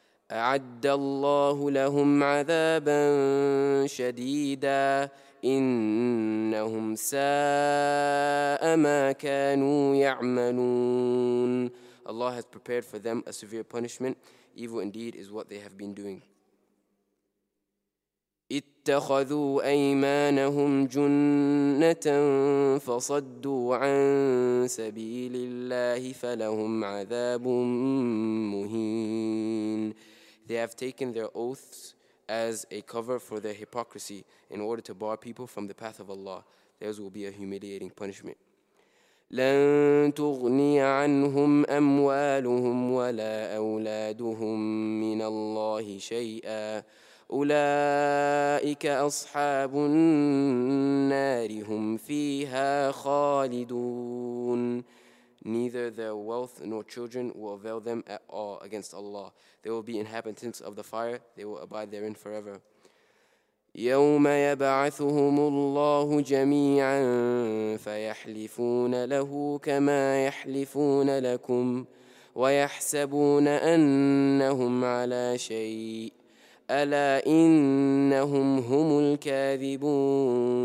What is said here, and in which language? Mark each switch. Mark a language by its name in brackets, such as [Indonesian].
[Arabic] أَعَدَّ اللَّهُ لَهُمْ عَذَابًا شَدِيدًا إِنَّهُمْ سَاءَ مَا كَانُوا يَعْمَلُونَ. [English] Allah has prepared for them a severe punishment. Evil indeed is what they have been doing. [Arabic] اتخذوا أيمانهم جنة فصدوا عن سبيل الله فلهم عذاب مهين. [English] They have taken their oaths as a cover for their hypocrisy in order to bar people from the path of Allah. Theirs will be a humiliating punishment. [Arabic] لن تغني عنهم أموالهم ولا أولادهم من الله شيئا أولئك أصحاب النار هم فيها خالدون. [English] Neither their wealth nor children will avail them at all against Allah. They will be inhabitants of the fire. They will abide therein forever. [Arabic] يوم يبعثهم الله جميعا فيحلفون له كما يحلفون لكم ويحسبون أنهم على شيء ألا إنهم هم الكاذبون.